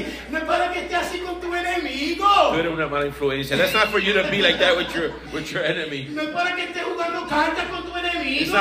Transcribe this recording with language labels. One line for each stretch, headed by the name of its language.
Spanish: No es para que estés así con tu enemigo.
English: That's not for you to be like that with your enemy.
Spanish: No es para que estés jugando cartas con tu enemigo.